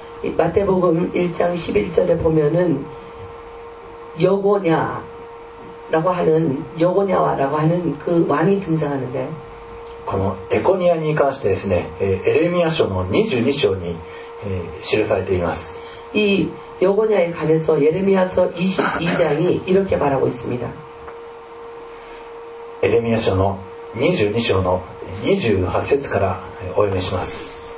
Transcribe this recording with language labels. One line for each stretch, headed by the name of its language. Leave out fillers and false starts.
Korean: 마태복음1장11절에보면은여고냐라고하는여고냐와라고하는그왕이등장하는데
Japanese: このエコニアに関してですね、エレミア書の22章に、記されています。
Korean: 이여고냐에관해서예레미야서22장이이렇게말하고있습니다
Japanese: エレミア書の22章の28節からお読みします。